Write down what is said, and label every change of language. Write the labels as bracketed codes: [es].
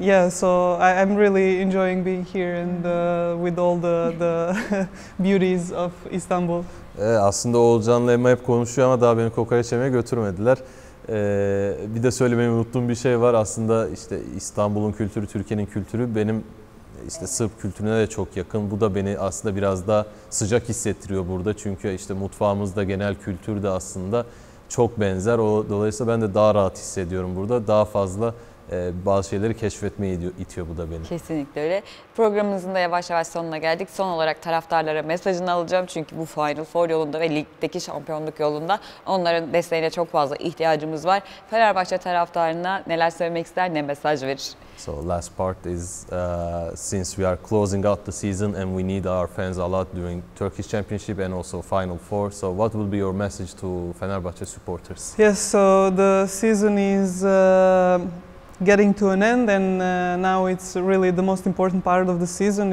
[en] So I'm really enjoying being here and with all the beauties of Istanbul. [tr] Aslında Oğulcan'la Emma hep konuşuyor ama daha beni kokoreç yemeye götürmediler. Bir de söylemeyi unuttuğum bir şey var. Aslında işte İstanbul'un kültürü, Türkiye'nin kültürü benim işte Sırp kültürüne de çok yakın. Bu da beni aslında biraz daha sıcak hissettiriyor burada. Çünkü işte mutfağımızda genel kültür de aslında çok benzer. Dolayısıyla ben de daha rahat hissediyorum burada. Daha fazla bazı şeyleri keşfetmeye itiyor bu da beni. Kesinlikle öyle. Programımızın da yavaş yavaş sonuna geldik. Son olarak taraftarlara mesajını alacağım. Çünkü bu Final Four yolunda ve ligdeki şampiyonluk yolunda onların desteğine çok fazla ihtiyacımız var. Fenerbahçe taraftarına neler söylemek ister, ne mesaj verir? [en] So last part is since we are closing out the season and we need our fans a lot during Turkish Championship and also Final Four. So what will be your message to Fenerbahçe supporters? Yes, so the season is getting to an end, and now it's really the most important part of the season.